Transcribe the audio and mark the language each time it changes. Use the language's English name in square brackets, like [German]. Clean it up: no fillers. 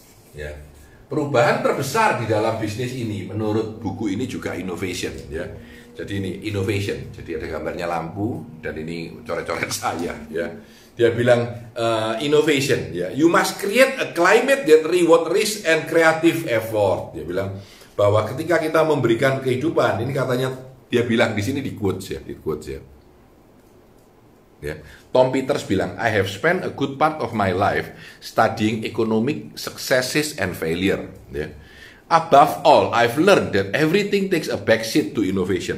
[Indonesian] Ya, perubahan terbesar di dalam bisnis ini menurut buku ini juga innovation, ya. Jadi ini innovation. Jadi ada gambarnya lampu dan ini coret-coret saya, ya. Dia bilang innovation, ya. [English] You must create a climate that reward risk and creative effort. [Indonesian] Dia bilang bahwa ketika kita memberikan kehidupan, ini katanya dia bilang di sini di quotes, ya. Ya. Tom Peters bilang, [English] I have spent a good part of my life studying economic successes and failure, ya. Above all, I've learned that everything takes a backseat to innovation.